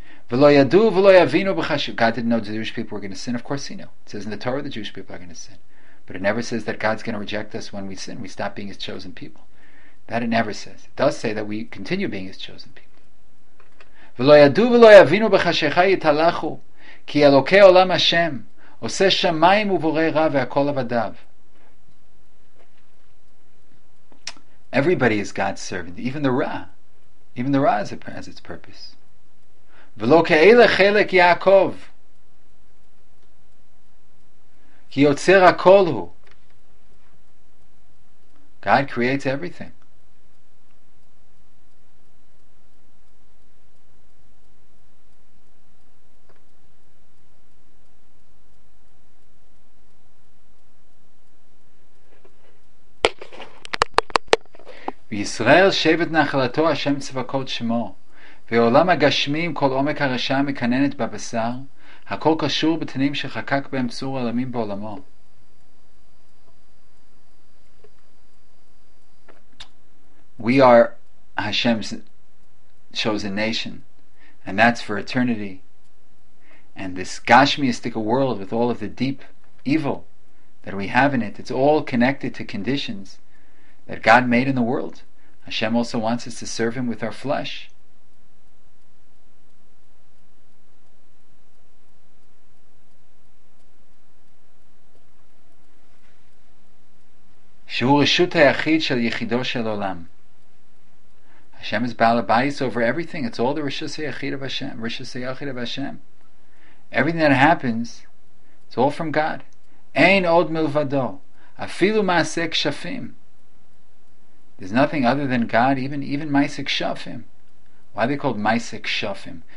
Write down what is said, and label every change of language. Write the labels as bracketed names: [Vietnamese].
[Hebrew] V'lo yadu v'lo yavinu b'chashu. [English] God didn't know the Jewish people were going to sin. Of course he knew. It says in the Torah the Jewish people are going to sin. But it never says that God's going to reject us when we sin. We stop being his chosen people. That it never says. It does say that we continue being his chosen people. [Hebrew] V'lo yadu v'lo yavinu b'chashecha yitalachu. כי אלוקי עולם השם עושה שמיים ובורא רע והכל עבדיו. [English] Everybody is God's servant, even the Ra has its purpose. [Hebrew] ולא כאלה חלק יעקב, כי יוצר הכל הוא. [English] God creates everything. [Hebrew] וישראל שבט נחלתו השם צבקות שמו, ועולם הגשמי עם כל עומק הרשע מקננת בבשר, הכל קשור בתנים שחקק בהם צור עולמים בעולמו. [English] We are Hashem's chosen nation, and that's for eternity. And this Gashmiistic world with all of the deep evil that we have in it, it's all connected to conditions that God made in the world. Hashem also wants us to serve Him with our flesh. [Hebrew] שהוא רשות היחיד של יחידו של עולם. [English] Hashem is Baal HaBayis over everything. It's all the Rishus HaYachid of Hashem. Rishus HaYachid of Hashem. Everything that happens, it's all from God. [Hebrew] Ein od milvado. Afilu ma'aseh kshafim. [English] There's nothing other than God, even ma'aseh kshafim. Why are they called ma'aseh kshafim?